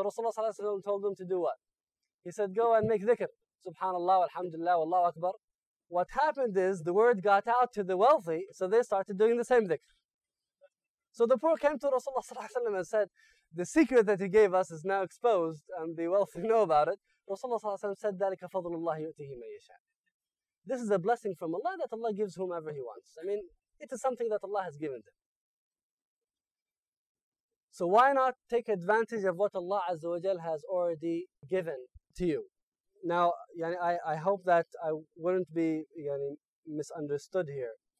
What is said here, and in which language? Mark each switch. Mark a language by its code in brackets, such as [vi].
[en] So Rasulullah Sallallahu Alaihi Wasallam told them to do what? He said, go and make dhikr. Subhanallah, alhamdulillah, wallahu akbar. What happened is, the word got out to the wealthy, so they started doing the same dhikr. So the poor came to Rasulullah Sallallahu Alaihi Wasallam and said, the secret that you gave us is now exposed, and the wealthy know about it. [ar] Rasulullah Sallallahu Alaihi Wasallam said, ذَلِكَ فَضْلُ اللَّهِ يُؤْتِهِ مَنْ يَشَاءُ. [en] This is a blessing from Allah that Allah gives whomever He wants. I mean, it is something that Allah has given them. So why not take advantage of what Allah Azza wa Jal has already given to you? Now, yani, I hope that I wouldn't be yani, misunderstood here.